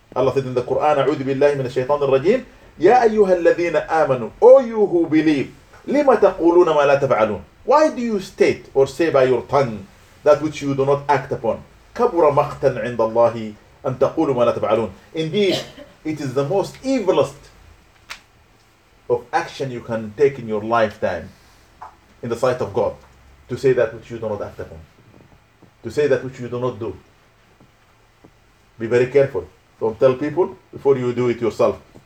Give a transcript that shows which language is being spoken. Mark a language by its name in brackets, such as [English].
[English] Allah said in the Quran, [Arabic] أعوذ بالله من الشيطان الرجيم, يا أيها الذين آمنوا, [English] O you who believe, [Arabic] لما تقولون ما لا تفعلون. [English] Why do you state or say by your tongue that which you do not act upon? [Arabic] كبر مقتا عند الله أن تقولوا ما لا تفعلون. [English] Indeed, it is the most evilest of action you can take in your lifetime in the sight of God, to say that which you do not act upon, to say that which you do not do. Be very careful. Don't tell people before you do it yourself.